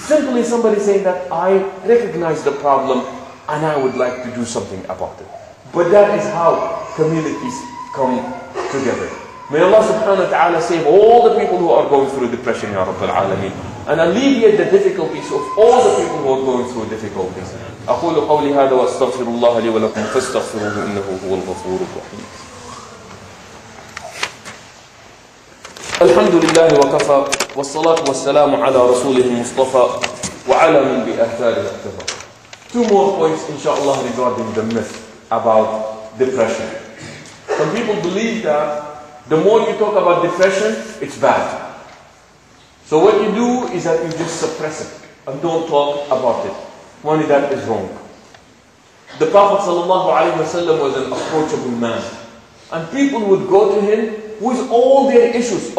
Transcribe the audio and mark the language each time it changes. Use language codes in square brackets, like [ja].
[en] Simply somebody saying that I recognize the problem and I would like to do something about it. But that is how communities come together. May Allah subhanahu wa ta'ala save all the people who are going through depression, [ar] Ya Rabbil Alameen, [en] and alleviate the difficulties of all the people who are going through difficulties. [ar] أقول قولي هذا وأستغفر الله لي ولكم فاستغفروه إنه هو الغفور الرحيم. الحمد لله وكفى والصلاة والسلام على رسوله المصطفى وعلى من بأثاره اقتفى. [en] Two more points [ar] إن شاء الله [en] regarding the myth about depression. Some people believe that the more you talk about depression, it's bad. So what you do is that you just suppress it and don't talk about it. Only that is wrong. The Prophet sallallahu alaihi wasallam was an approachable man. And people would go to him with all their issues.